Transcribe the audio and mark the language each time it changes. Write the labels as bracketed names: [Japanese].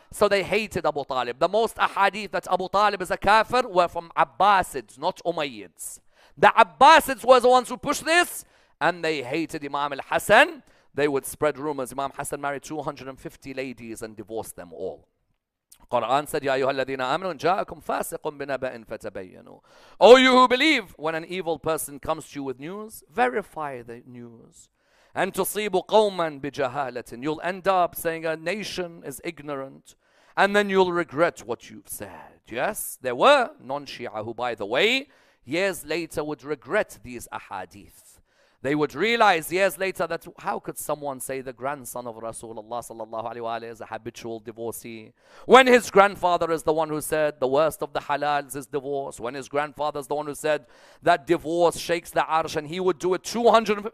[English] So they hated Abu Talib. The most ahadith that Abu Talib is a kafir were from Abbasids, not Umayyads. The Abbasids were the ones who pushed this, and they hated Imam al-Hasan. They would spread rumors. Imam Hassan married 250 ladies and divorced them all. Quran said, [Arabic] يَا أَيُّهَا الَّذِينَ آمَنُوا جَاءَكُمْ فَاسِقٌ بِنَبَأٍ فَتَبَيَّنُوا. [English] O you who believe, when an evil person comes to you with news, verify the news. And [Arabic] تُصِيبُ قَوْمًا بِجَهَالَةٍ. [English] You'll end up saying a nation is ignorant, and then you'll regret what you've said. Yes, there were non-Shia who, by the way, years later would regret these ahadith. They would realize years later that how could someone say the grandson of Rasulullah sallallahu alaihi wa alayhi is a habitual divorcee, when his grandfather is the one who said the worst of the halals is divorce, when his grandfather is the one who said that divorce shakes the arsh, and he would do it 200.